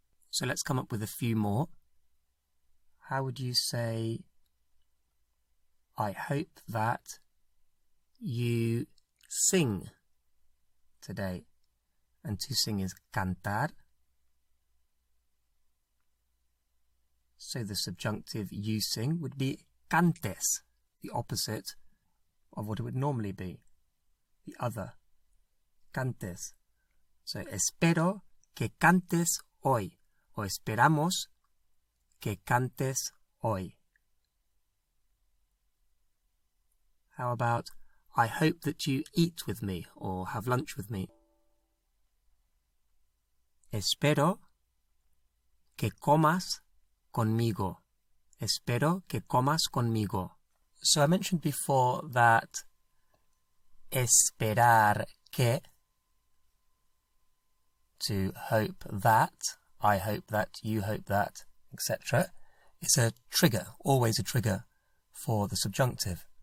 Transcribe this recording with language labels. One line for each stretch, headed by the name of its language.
English: So let's come up with a few more. How would you say, I hope that you sing today? And to sing is cantar. So the subjunctive you sing would be cantes, the opposite of what it would normally be. The other, cantes.
Spanish: So espero que cantes hoy, o esperamos que cantes hoy.
English: How about, I hope that you eat with me or have lunch with me.
Spanish: Espero que comas conmigo. Espero que comas conmigo.
English: So I mentioned before that esperar que, to hope that, I hope that, you hope that, etc., is a trigger, always a trigger for the subjunctive.